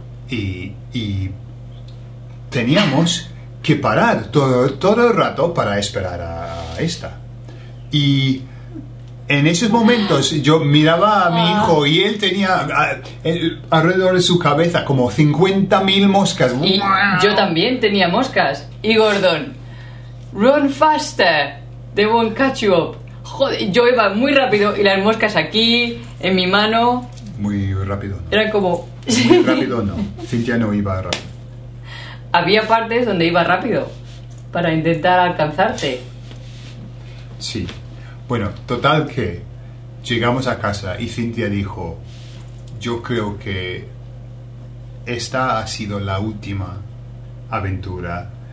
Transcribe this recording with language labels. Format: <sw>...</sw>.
<es>Y teníamos que parar todo el rato para esperar a esta. Y en esos momentos yo miraba a mi hijo y él tenía alrededor de su cabeza como 50.000 moscas. Y yo también tenía moscas.</es> <en>Y Gordon, run faster, they won't catch you up.</en> <es>Joder, yo iba muy rápido y las moscas aquí, en mi mano... Muy rápido, ¿no? Eran como... Muy rápido, no. Cynthia no iba rápido. Había partes donde iba rápido, para intentar alcanzarte. Sí. Bueno, total que llegamos a casa y Cynthia dijo, yo creo que esta ha sido la última aventura</es>